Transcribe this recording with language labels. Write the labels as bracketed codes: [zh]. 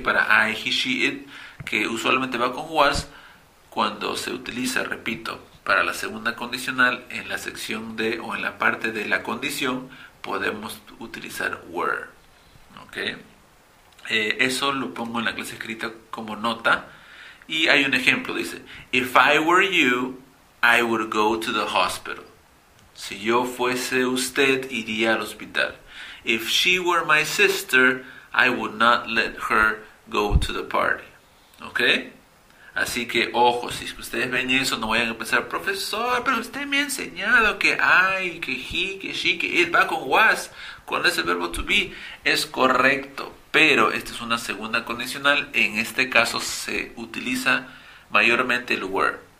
[es] Para I, he, she, it, que usualmente va con was, cuando se utiliza, repito, para la segunda condicional, en la sección de o en la parte de la condición, podemos utilizar were. ¿Okay? Eso lo pongo en la clase escrita como nota. [en] Y hay un ejemplo, dice, If I were you, I would go to the hospital. Si yo fuese usted, iría al hospital. If she were my sister, I would not let her go to the party. [es] ¿Ok? Así que, ojo, si ustedes ven eso, no vayan a pensar, profesor, pero usted me ha enseñado que I, que he, que she, que it, va con was. ¿Cuál es el verbo to be? Es correcto, pero esta es una segunda condicional. En este caso se utiliza mayormente el were.